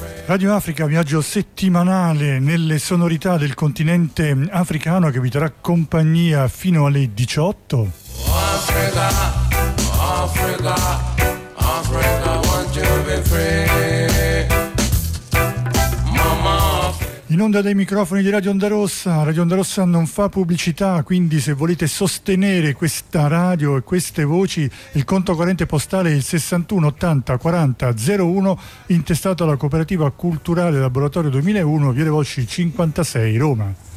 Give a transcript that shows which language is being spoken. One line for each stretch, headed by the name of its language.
Italian: Radio Africa, viaggio settimanale nelle sonorità del continente africano che vi terrà compagnia fino alle 18.
English: Africa, Africa, Africa, won't you be free? Mama Africa.
Italian: In onda dei microfoni di Radio Onda Rossa. Radio Onda Rossa non fa pubblicità, quindi se volete sostenere questa radio e queste voci, il conto corrente postale è il 61 80 40 01, intestato alla Cooperativa Culturale Laboratorio 2001, Via Le Volsci 56, Roma.